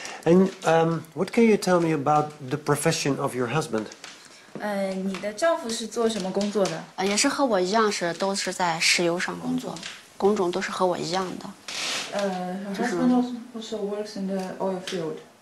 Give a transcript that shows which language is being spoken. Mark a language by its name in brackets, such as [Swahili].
[English] And what can you tell me about the profession of your husband? [Chinese] 你的丈夫是做什么工作的？也是和我一样是都是在石油上工作，工种都是和我一样的。 [English] Her husband also works in the oil field.